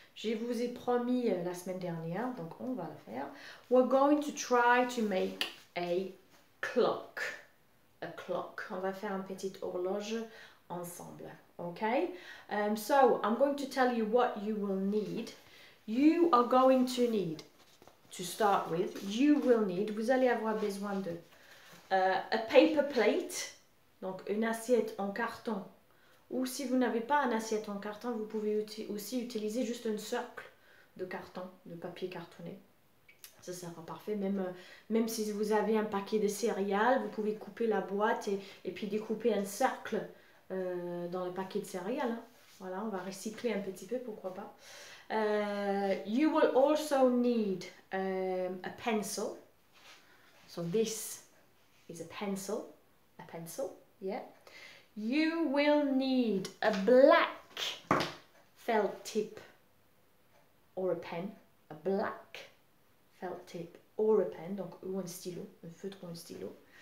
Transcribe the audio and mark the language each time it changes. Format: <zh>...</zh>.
<fr>Je vous ai promis la semaine dernière, donc on va le faire.</fr> <en>We're going to try to make a clock. A clock.</en> <fr>On va faire une petite horloge ensemble. Okay?</fr> <en>So, I'm going to tell you what you will need. You are going to need, to start with, you will need,</en> <fr>vous allez avoir besoin de</fr> <en>a paper plate,</en> <fr>donc une assiette en carton. Ou si vous n'avez pas une assiette en carton, vous pouvez aussi utiliser juste un cercle de carton, de papier cartonné. Ça sera parfait. Même si vous avez un paquet de céréales, vous pouvez couper la boîte et puis découper un cercle dans le paquet de céréales. Voilà, on va recycler un petit peu, pourquoi pas.</fr> <en>You will also need a pencil. So this is a pencil. A pencil, yeah. You will need a black felt tip or a pen. A black felt tip or a pen.</en> <fr>Donc, ou un stylo, un feutre ou un stylo.</fr>